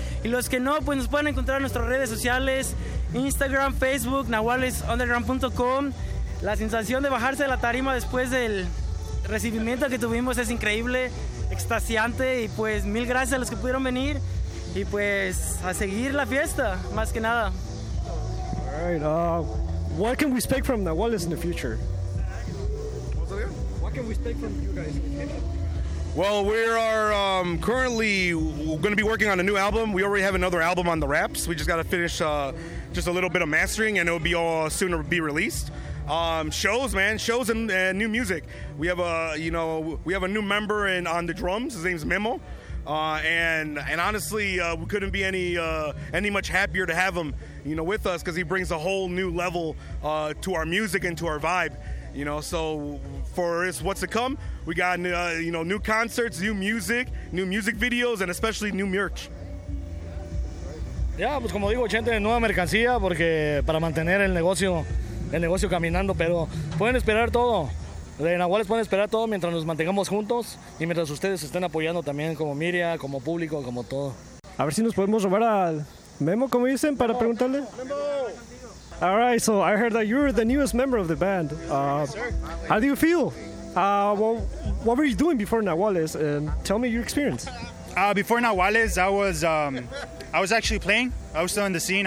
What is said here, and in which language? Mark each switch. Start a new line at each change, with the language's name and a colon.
Spanish: Y los que no, pues nos pueden encontrar en nuestras redes sociales, Instagram, Facebook, nahualesunderground.com. La sensación de bajarse de la tarima después del recibimiento que tuvimos es increíble, extasiante. Y pues mil gracias a los que pudieron venir y pues a seguir la fiesta, más que nada.
English: All right, what can we expect from Nahuales in the future? What can we expect from you guys? Well, we are currently going to be working on a new album. We already have another album on the wraps. We just got to finish just a little bit of mastering, and it will be all soon to be released. Shows, man, shows and new music. We have a new member on the drums. His name's Memo, and honestly, we couldn't be any much happier to have him, you know, with us because he brings a whole new level to our music and to our vibe. You know, so for us, what's to come? We got new concerts, new music videos, and especially new merch.
Spanish: Yeah, pues como digo, gente, nueva mercancía porque para mantener el negocio caminando. Pero pueden esperar todo. De Nahuales pueden esperar todo mientras nos mantengamos juntos y mientras ustedes estén apoyando también como Miria, como público, como todo. A ver si nos podemos robar al Memo, como dicen, para preguntarle. Memo.
English: All right, so I heard that you're the newest member of the band. How do you feel? What were you doing before Nahuales? And tell me your experience. Before Nahuales, I was actually playing. I was still in the scene.